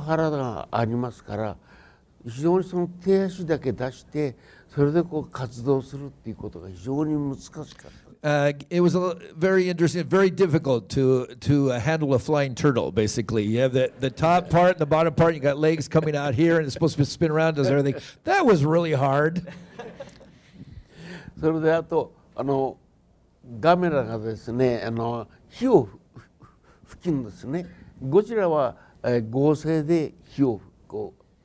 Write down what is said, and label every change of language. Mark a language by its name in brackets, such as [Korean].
[Japanese] ガメラの方ですよ。ダイエス。はい、ガメラさん。はい、ガメラをやりました。あれもう本当に大変でしたね。ガメラやっぱり作って一番大変だったのは思うようにコーラと腹がありますから 非常にその手足だけ出して、それでこう活動するっていうことが非常に難しかった。 [English] It was very interesting, very difficult to handle a flying turtle. Basically, you have the top part and the bottom part. You got legs coming out here, and it's supposed to spin around, does everything. That was really hard. [Japanese] それであとガメラがですね、火を吹くんですね。ゴジラは合成で火をこう。